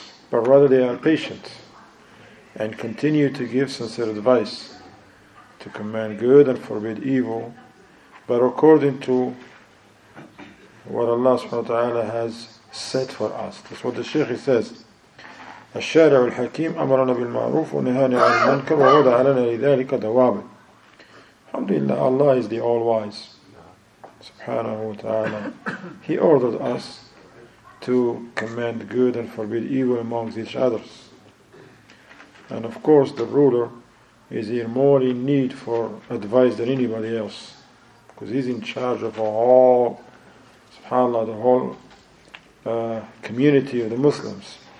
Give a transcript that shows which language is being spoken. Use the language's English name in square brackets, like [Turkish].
[English] But rather they are patient and continue to give sincere advice, to command good and forbid evil, but according to what Allah subhanahu wa ta'ala has set for us. That's what the Shaykh says. [Arabic] الشارع الحكيم أمرنا بالمعروف ونهانا عن المنكر ووضع لنا لذلك دوابط. [English] Alhamdulillah, Allah is the all-wise. Subhanahu wa ta'ala. He ordered us to command good and forbid evil amongst each others. And of course the ruler is here more in need for advice than anybody else, because he's in charge of all, subhanAllah, the whole community of the Muslims.